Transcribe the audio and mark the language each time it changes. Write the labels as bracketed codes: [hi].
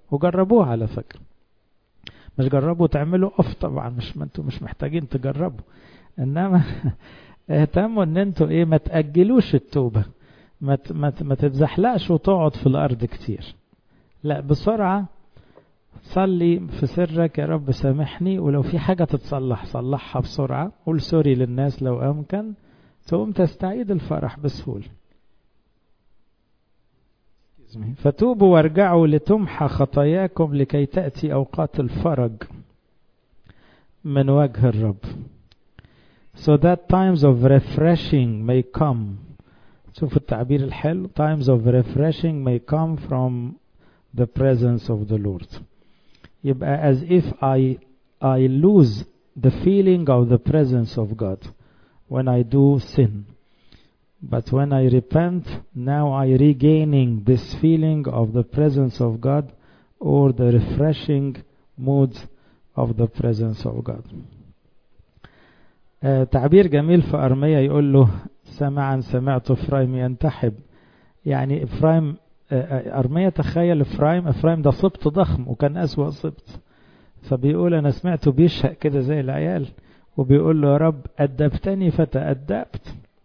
[ar] وجربوه على فكرة، مش جربوا تعملوا اوف طبعا، مش ما انتوا مش محتاجين تجربوا، انما اهتموا ان انتوا ايه، ما تأجلوش التوبة، ما تتزحلقش وتقعد في الارض كتير، لا بسرعة صلي في سرك يا رب سامحني، ولو في حاجة تتصلح صلحها بسرعة، قول سوري للناس لو امكن، تقوم تستعيد الفرح بسهولة. فتوبوا وارجعوا لتمحى خطاياكم لكي تأتي أوقات الفرج من وجه الرب. [en] So that times of refreshing may come. [ar] شوفوا التعبير الحلو. [en] Times of refreshing may come from the presence of the Lord. [ar] يبقى [en] as if I lose the feeling of the presence of God when I do sin. But when I repent, now I regaining this feeling of the presence of God or the refreshing mood of the presence of God. [ar] تعبير جميل في أرميا يقول له سمعا سمعت إفرايم ينتحب. يعني إفرايم أرميا تخيل إفرايم، إفرايم ده صبت ضخم وكان أسوأ صبت. فبيقول أنا سمعته بيشهق كده زي العيال وبيقول له يا رب أدبتني فتأدبت.